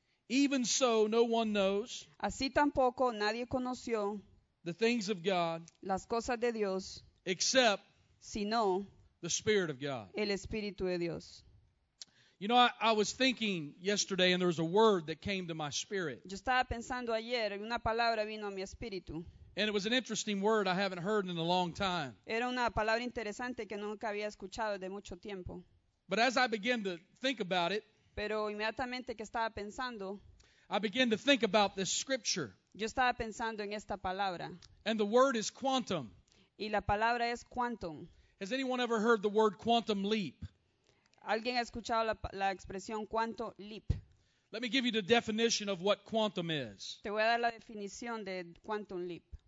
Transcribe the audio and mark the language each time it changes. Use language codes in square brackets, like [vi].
[en] Even so, no one knows. [es] Así tampoco nadie conoció. [en] The things of God. [es] Las cosas de Dios. [en] Except. [es] Sino. [en] The spirit of God. [es] El espíritu de Dios. [en] You know, I was thinking yesterday, and there was a word that came to my spirit. [es] Yo estaba pensando ayer, y una palabra vino a mi espíritu. [en] And it was an interesting word I haven't heard in a long time. [es] Era una palabra interesante que nunca había escuchado de mucho tiempo. [en] But as I began to think about it, [es] pero inmediatamente que estaba pensando, [en] I began to think about this scripture. [es] Yo estaba pensando en esta palabra. [en] And the word is quantum. [es] Y la palabra es quantum. [en] Has anyone ever heard the word quantum leap? [es] ¿Alguien ha escuchado la expresión quantum leap? [en] Let me give you the definition of what quantum is. [es] Te voy a dar la definición de quantum leap.